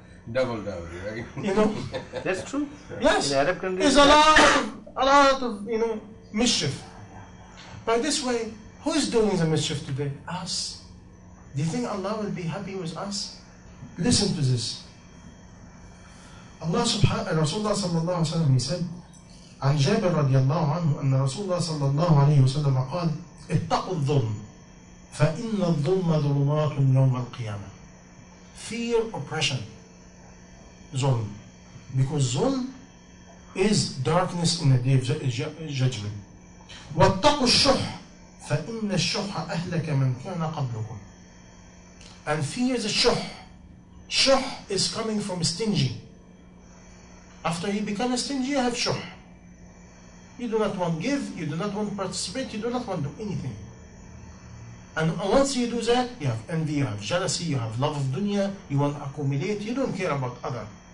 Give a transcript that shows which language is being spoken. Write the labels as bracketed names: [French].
[English] Double dowry, right? You know, that's true. Yes, in Arab countries, it's a lot of, you know, mischief. By this way, who is doing the mischief today? Us. Do you think Allah will be happy with us? Listen to this. [Arabic] Allah subhanahu Rasulullah sallallahu alayhi wa sallam, [English] he said, [Arabic] عن جابر رضي الله عنه أن رسول الله صلى الله عليه وسلم قال اتقوا الظلم فإن الظلم ظلمات يوم القيامة. [English] Fear oppression. ظلم. Because ظلم is darkness in the day of judgment. [Arabic] واتقوا الشح فإن الشح أهلك من كان قبلكم. [English] And fear the شح. شح is coming from stingy. After he become stingy, you have شح. You do not want to give, you do not want to participate, you do not want to do anything. And once you do that, you have envy, you have jealousy, you have love of dunya, you want to accumulate, you don't care about other.